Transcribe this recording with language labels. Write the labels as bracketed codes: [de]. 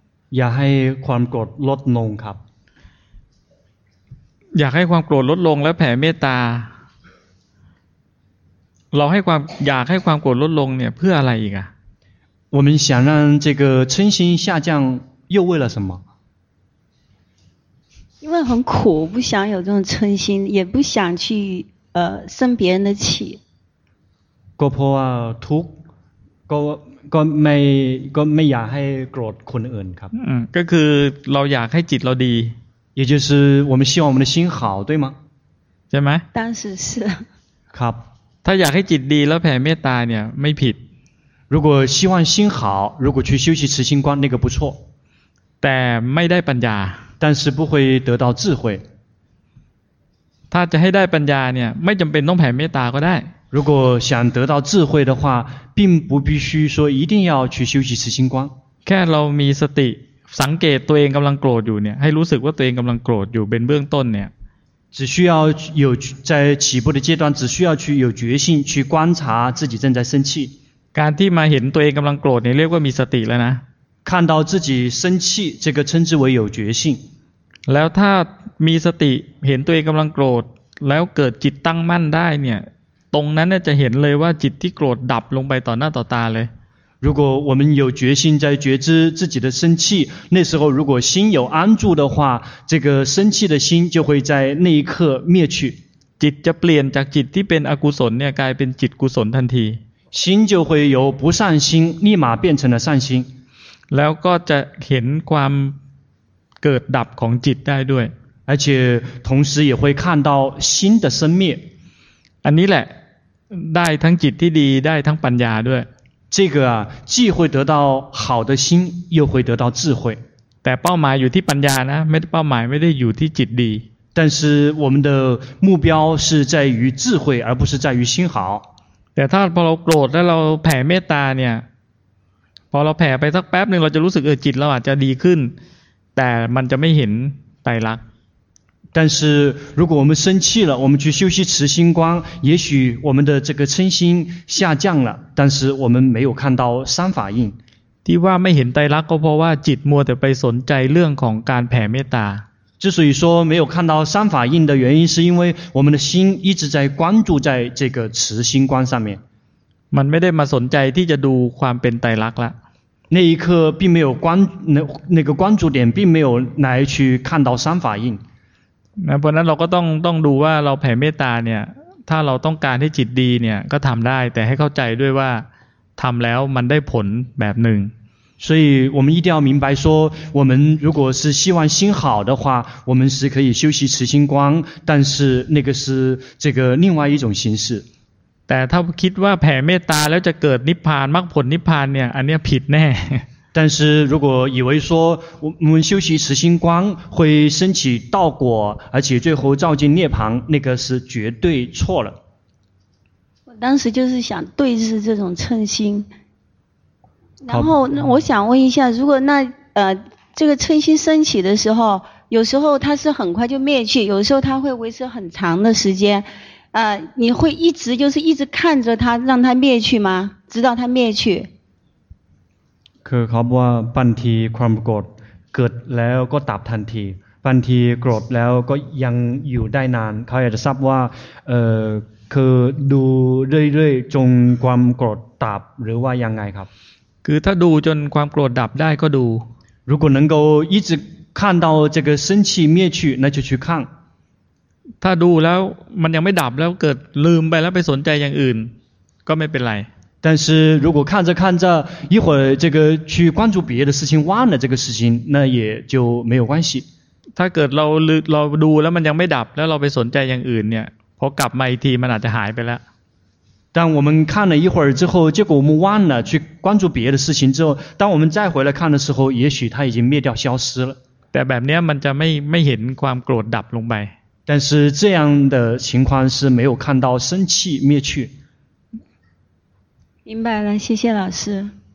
[th] อยากให้ความโกรธลดลงครับ。 อยากให้ความโกรธลดลงและแผ่เมตตาเราให้ความอยากให้ความโกรธลดลงเนี่ยเพื่ออะไรอีกอ่ะ [zh] 我们想让这个嗔心下降又为了什么因为很苦不想有这种嗔心也不想去生别人的气。 [th] ก็เพราะว่าทุกก็ไม่อยากให้โกรธคนอื่นครับ ก็คือเราอยากให้จิตเราดี [zh] 也就是我们希望我们的心好对吗 [th] ใช่ไหม [zh] 当时是 [th] ครับ ถ้าอยากให้จิตดีแล้วแผ่เมตตาเนี่ยไม่ผิด [zh] 如果希望心好如果去修习慈心观那个不错 [th] แต่ไม่ได้ปัญญา [zh] 但是不会得到智慧 [th] ถ้าจะให้ได้ปัญญาเนี่ยไม่จำเป็นต้องแผ่เมตตาก็ได้ [zh] 如果想得到智慧的话并不必须说一定要去修习慈心观 [th] แค่เรามีสติสังเกตตัวเองกำลังโกรธอยู่เนี่ยให้รู้สึกว่าตัวเองกำลังโกรธอยู่เป็นเบื้องต้นเนี่ย [zh] 只需要有在起步的阶段只需要去有决心去观察自己正在生气 [th] การที่มาเห็นตัวเองกำลังโกรธเนี่ยเรียกว่ามีสติแล้วนะ [zh] 看到自己生气这个称之为有决心 [th] แล้วถ้ามีสติเห็นตัวเองกำลังโกรธแล้วเกิดจิตตั้งมั่นได้เนี่ยตรงนั้นจะเห็นเลยว่าจิตที่โกรธดับลงไปต่อหน้าต่อตาเลย [zh] 如果我们有决心在觉知自己的生气那时候如果心有安住的话这个生气的心就会在那一刻灭去 [th] จิตจะเปลี่ยนจากจิตที่เป็นอกุศลเนี่ยกลายเป็นจิตกุศลทันที [zh] 心就会由不善心立马变成了善心 [th] แล้วก็จะเห็นความเกิดดับของจิตได้ด้วย [zh] 而且同时也会看到心的生灭 [th] อันนี้แหละได้ทั้งจิตที่ดีได้ทั้งปัญญาด้วย [zh] 这个啊既会得到好的心又会得到智慧 [th] แต่เป้าหมายอยู่ที่ปัญญานะไม่ได้เป้าหมายไม่ได้อยู่ที่จิตดี [zh] 但是我们的目标是在于智慧而不是在于心好 [th] แต่ถ้าพอเราโกรธแล้วเราแผ่เมตตาเนี่ยพอเราแผ่ไปสักแป๊บนึงเราจะรู้สึกจิตเราอาจจะดีขึ้นแต่มันจะไม่เห็นไตรลักษณ์ [zh] 但是如果我们生气了我们去修习慈心观也许我们的这个嗔心下降了但是我们没有看到三法印 [th] ที่ว่าไม่เห็นไตรลักษณ์ก็เพราะว่าจิตมัวแต่ไปสนใจเรื่องของการแผ่เมตตา [zh] 之所以说没有看到三法印的原因是因为我们的心一直在关注在这个慈心观上面 [th] มันไม่ได้มาสนใจที่จะดูความเป็นไตรลักษณ์ละ [zh] 那一刻并没有关那个关注点并没有来去看到三法印 [th] เพราะนั้นเราก็ต้องดูว่าเราแผ่เมตตาเนี่ยถ้าเราต้องการให้จิตดีเนี่ยก็ทำได้แต่ให้เข้าใจด้วยว่าทำแล้วมันได้ผลแบบหนึ่ง [zh] 所以我们一定要明白说我们如果是希望心好的话我们是可以修习慈心观但是那个是这个另外一种形式 [th] แต่ถ้าคิดว่าแผ่เมตตาแล้วจะเกิดนิพพานมรรคผลนิพพานเนี่ยอันนี้ผิดแน่ [zh] 但是如果以为说我们修习慈心观会升起道果而且最后照进涅槃那个是绝对错了我当时就是想对峙这种嗔心然后我想问一下如果那这个嗔心升起的时候有时候它是很快就灭去有时候它会维持很长的时间你会一直就是一直看着它让它灭去吗直到它灭去 [th] คือเขาบอกว่าบางทีความโกรธเกิดแล้วก็ดับทันทีบางทีโกรธแล้วก็ยังอยู่ได้นานเขาอยากจะทราบว่าคือดูเรื่อยๆจนความโกรธดับหรือว่ายังไงครับ คือถ้าดูจนความโกรธดับได้ก็ดู [zh] 如果能够一直看到这个生气灭去那就去看 [th] ถ้าดูแล้วมันยังไม่ดับแล้วเกิดลืมไปแล้วไปสนใจอย่างอื่นก็ไม่เป็นไร [zh] 但是如果看着看着一会儿这个去关注别的事情忘了这个事情那也就没有关系 [th] ถ้าเกิดเราดูแล้วมันยังไม่ดับแล้วเราไปสนใจอย่างอื่นเนี่ยพอกลับมาอีกทีมันอาจจะหายไปแล้ว [zh] 当我们看了一会儿之后结果我们忘了去关注别的事情之后当我们再回来看的时候也许它已经灭掉消失了 [th] แต่แบบนี้มันจะไม่เห็นความโกรธดับลงไป [zh] 但是这样的情况是没有看到生气灭去明白了谢谢老师